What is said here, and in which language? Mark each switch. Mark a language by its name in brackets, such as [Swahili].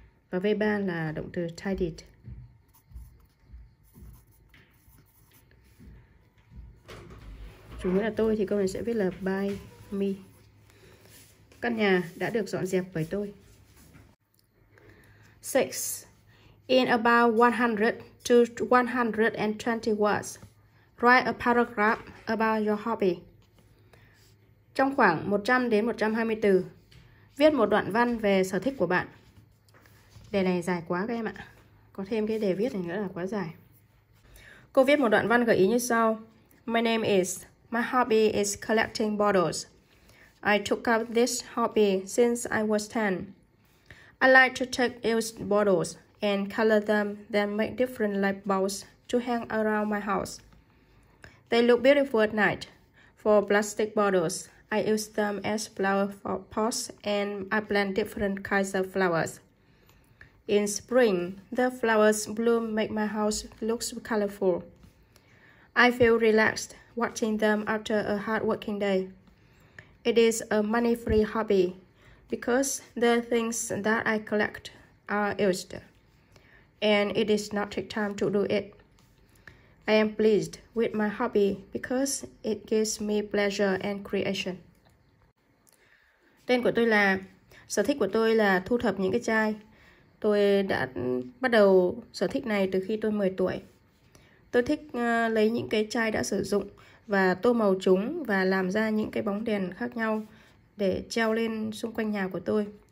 [Vietnamese] Và V3 là động từ tidied. Chủ ngữ là tôi thì câu này sẽ viết là [English] by me. [Vietnamese] Căn nhà đã được dọn dẹp bởi tôi. 6. [English] In about 100 to 120 words, write a paragraph about your hobby. [Vietnamese] Trong khoảng 100 đến 120 từ, viết một đoạn văn về sở thích của bạn. Đề này dài quá các em ạ. Có thêm cái đề viết này nữa là quá dài. Cô viết một đoạn văn gợi ý như sau. [English] My name is, my hobby is collecting bottles. I took up this hobby since I was 10. I like to take used bottles and color them, then make different light bulbs to hang around my house. They look beautiful at night. For plastic bottles, I use them as flower pots and I plant different kinds of flowers. In spring, the flowers bloom make my house look colorful. I feel relaxed watching them after a hard working day. It is a money-free hobby because the things that I collect are used. And it is not take time to do it. I am pleased with my hobby because it gives me pleasure and creation. [Vietnamese] Tên của tôi là, sở thích của tôi là thu thập những cái chai. Tôi đã bắt đầu sở thích này từ khi tôi 10 tuổi. Tôi thích lấy những cái chai đã sử dụng và tô màu chúng và làm ra những cái bóng đèn khác nhau để treo lên xung quanh nhà của tôi.